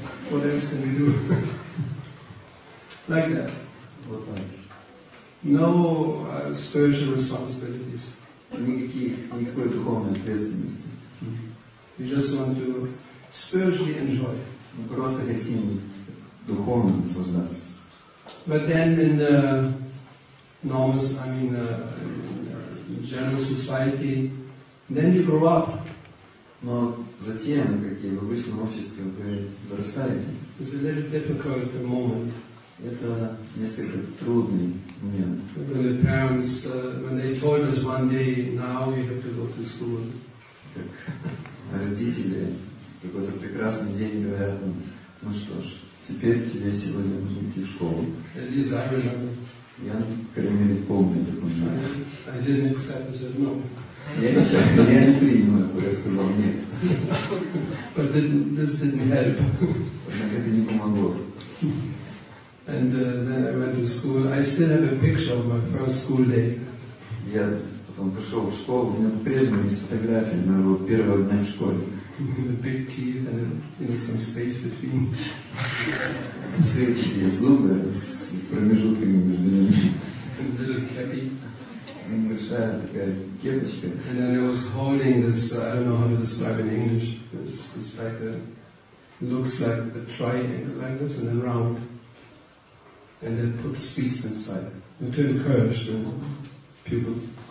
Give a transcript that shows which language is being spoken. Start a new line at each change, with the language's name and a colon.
English: What else can we do? Like that.
Russian: Вот так.
English: No spiritual responsibilities.
Russian: никакой духовной ответственности.
English: We just want to spiritually enjoy.
Russian: Мы просто хотим духовно наслаждаться.
English: But then in the normal, I mean, general society, then you grow up.
Russian: Но затем, как и в обычном обществе, вы вырастаете.
English: It's a little difficult moment.
Russian: Это несколько трудный момент.
English: When the parents, when they told us one day, now you have to go to school.
Russian: Так, родители какой-то прекрасный день говорят нам, ну что ж, теперь тебе сегодня нужно идти в школу.
English: At least I remember.
Russian: Я, по крайней мере, помню этот момент.
English: I didn't accept it, no.
Russian: Я не принял это, я сказал нет.
English: But this didn't help.
Russian: Однако это не помогло.
English: And then I went to school. I still have a picture of my first school day.
Russian: Я потом пришел в школу, у меня по-прежнему есть фотография моего первого дня в школе.
English: The big teeth and some space between.
Russian: Все эти зубы с промежутками между ними.
English: Little cappy.
Russian: Небольшая такая кепочка.
English: And then I was holding this. I don't know how to describe it in English. But it's like a looks like a triangle like this and then round. And then put space inside it to encourage the pupils.